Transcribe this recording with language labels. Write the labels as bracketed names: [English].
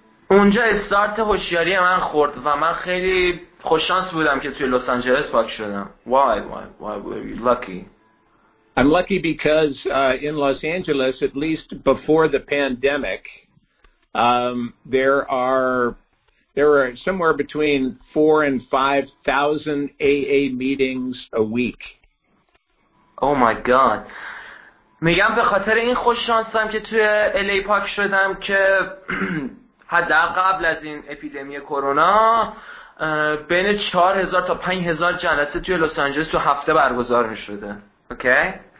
[Persian] اونجا استارت هوشیاری من خورد و من خیلی خوش شانس بودم که توی لس آنجلس پاک شدم. [English] Why were you lucky? I'm lucky because in Los Angeles, at least before the pandemic, there are somewhere between 4,000 and 5,000 AA meetings a week. Oh my god. [Persian] میگم به خاطر این خوش شانسم که توی LA پاک شدم که حداقل قبل از این اپیدمی کرونا بین 4000 تا 5000 جلسه توی لس آنجلس تو هفته برگزار می‌شده. اوکی.